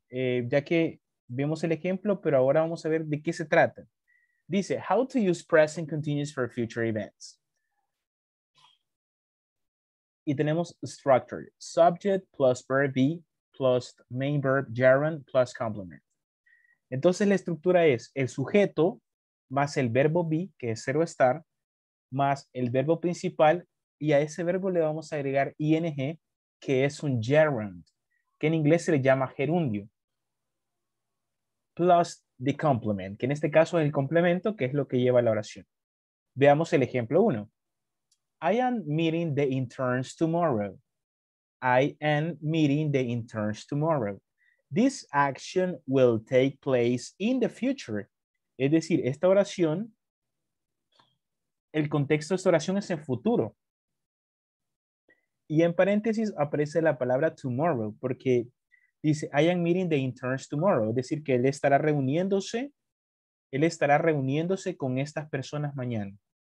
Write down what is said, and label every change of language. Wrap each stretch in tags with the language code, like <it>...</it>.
<es>Ya que vimos el ejemplo, pero ahora vamos a ver de qué se trata.</es> <en>Dice, how to use present continuous for future events.</en> <es>Y tenemos</es> <en>structure, subject plus verb be, plus main verb, gerund, plus complement.</en> <es>Entonces la estructura es el sujeto más el verbo be, que es ser o estar, más el verbo principal, y a ese verbo le vamos a agregar ing, que es un gerund, que en inglés se le llama gerundio,</es> <en>plus the complement,</en> <es>que en este caso es el complemento, que es lo que lleva la oración. Veamos el ejemplo 1.</es> <en>I am meeting the interns tomorrow. I am meeting the interns tomorrow. This action will take place in the future.</en> <es>Es decir, esta oración, el contexto de esta oración es en futuro. Y en paréntesis aparece la palabra tomorrow, porque dice,</es> <en>I am meeting the interns tomorrow.</en> <es>Es decir, que él estará reuniéndose con estas personas mañana.</es>